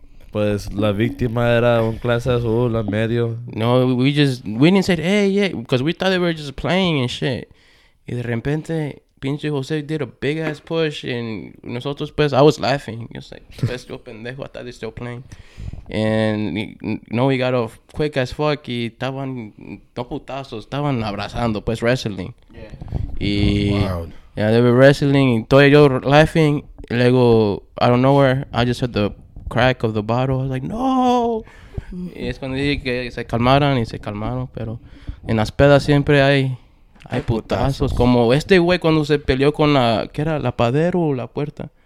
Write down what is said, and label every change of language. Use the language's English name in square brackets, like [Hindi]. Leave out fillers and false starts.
[Spanish] Pues la víctima era un clase azul, en medio. [English] No, we didn't say, hey, yeah, because we thought they were just playing and shit. [Spanish] Y de repente, pinche [English] José did a big ass push, and [Spanish] nosotros, pues, [English] I was laughing. I was like, [Spanish] pues, yo pendejo, [English] I thought they're still playing. And we got off quick as fuck. [Spanish] Y estaban no putazos, estaban abrazando, pues [English] wrestling. Yeah. Yeah, they were wrestling. [Spanish] Y todo yo [English] laughing. [Spanish] Luego, [English] I don't know where. I just heard the crack of the bottle. I was like, no. [Spanish] Y es cuando dije que se calmaran y se calmaron. Pero en las pedas siempre hay putazos. Como este güey cuando se peleó con la que era la padero o la puerta.